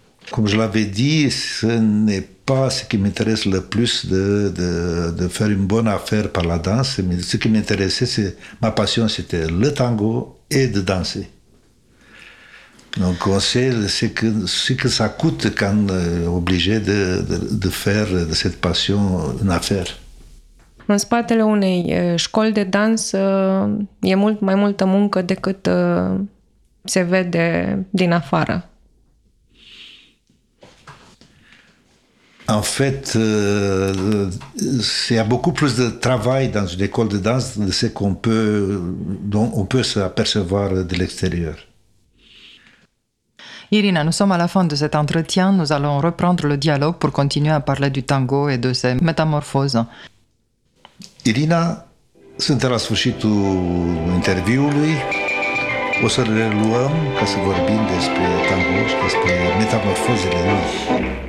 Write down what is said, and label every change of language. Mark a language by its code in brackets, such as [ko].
[fr] Cum je l'avais dit, ce n'est pas ce qui m'intéresse le plus de faire une bonne affaire par la danse, mais ce qui m'intéressait, c'est ma passion, c'était le tango et de danser. Donc on sait ce que ça coûte quand on est obligé de faire de cette passion une affaire. [ro] În spatele unei școli de dans e mult mai multă muncă decât se vede din afară. [fr] En fait, il y a beaucoup plus de travail dans une école de danse de ce qu'on peut, dont on peut s'apercevoir de l'extérieur. Irina, nous sommes à la fin de cet entretien. Nous allons reprendre le dialogue pour continuer à parler du tango et de ses métamorphoses. [ro] Irina, suntem la sfârșitul interviului. O să le luăm ca să vorbim despre tango și despre metamorfozele lui.